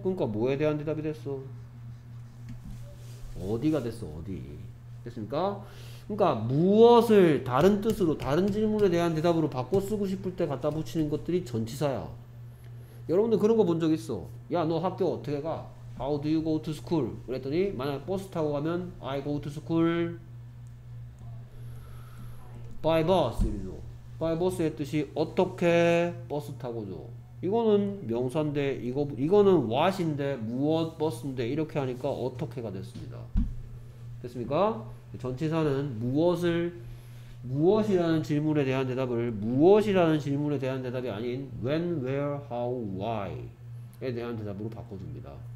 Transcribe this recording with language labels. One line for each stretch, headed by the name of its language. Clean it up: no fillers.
Korean: 그러니까 뭐에 대한 대답이 됐어? 어디가 됐어? 어디? 됐습니까? 그러니까 무엇을 다른 뜻으로 다른 질문에 대한 대답으로 바꿔 쓰고 싶을 때 갖다 붙이는 것들이 전치사야. 여러분들 그런 거 본 적 있어? 야 너 학교 어떻게 가?
English: How do you go to school?
Korean: 그랬더니 만약 버스 타고 가면
English: I go to school by bus.
Korean: by bus의 뜻이 어떻게 버스 타고죠. 이거는 명사인데 이거는 what인데 무엇 버스인데 이렇게 하니까 어떻게가 됐습니다. 됐습니까? 전치사는 무엇을 무엇이라는 질문에 대한 대답을 무엇이라는 질문에 대한 대답이 아닌 when, where, how, why에 대한 대답으로 바꿔줍니다.